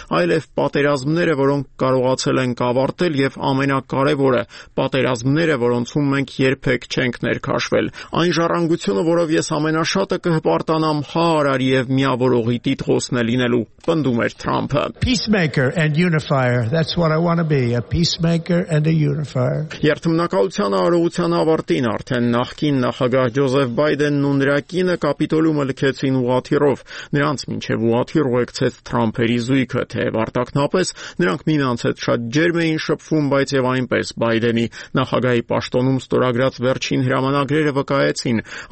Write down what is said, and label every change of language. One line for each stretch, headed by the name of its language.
Armenian: այլև պատերազմները, որոնք կարողացել ենք ավարտել, և ամենակարևորը, պատերազմները, որոնցում մենք երբեք չենք ներքաշվել։ Այն ժառանգությունը, որով ես ամենաշատը կհպարտանամ, հա արարի և միավորողի տիտղոսն լինելու, պնդում էր Թրամփը։
English: Peacemaker and unifier. That's what I want to be, a peacemaker and a unifier.
Armenian: Երթմնակալության արարողության ավարտին արդեն նախկին նախագահ Ջոզեֆ Բայդենն ու նրա կինը կապիտոլիումը լքեցին ուղաթիռով։ Նրանց մինչև ուղաթիռ ուղեկցեց Թրամփերի զույգը, թե վարտակնապես նրանք միմյանց հետ շատ ջերմ էին շփվում, բայց եւ այնպես Բայդենի նախագահի պաշտոնում ստորագրած վերջին հրամանագրերը վկայեցին,